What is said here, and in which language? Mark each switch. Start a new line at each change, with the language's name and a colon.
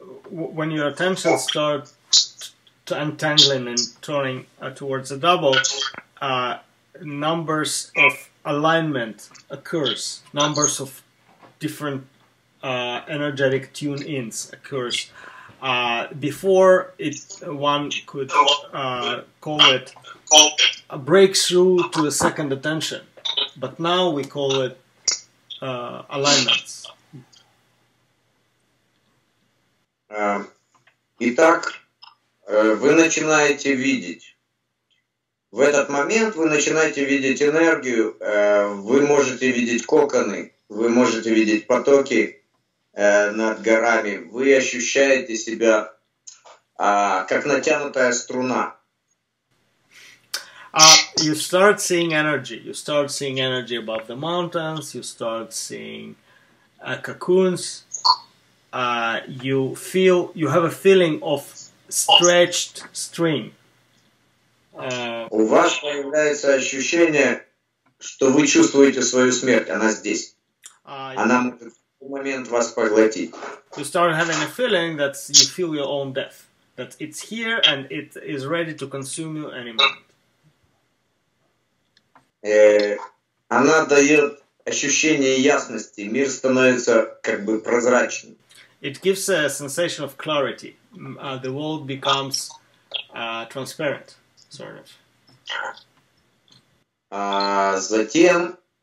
English: When your attention starts untangling and turning towards the double, numbers of alignment occurs, numbers of different energetic tune-ins occurs. Before it, one could call it a breakthrough to a second attention, but now we call it alignments.
Russian: Итак, вы начинаете видеть. В этот момент вы начинаете видеть энергию, вы можете видеть коконы, вы можете видеть потоки над горами, вы ощущаете себя как натянутая струна.
English: You start seeing energy. You start seeing energy above the mountains, you start seeing cocoons. you feel you have a feeling of stretched string.
Russian: У вас появляется ощущение, что вы чувствуете свою смерть. Она здесь. Она может в любой момент вас поглотить.
English: You start having a feeling that you feel your own death. That it's here and it is ready to consume you any moment.
Russian: Она дает ощущение ясности. Мир становится как бы прозрачным.
English: It gives a sensation of clarity. The world becomes transparent, sort of.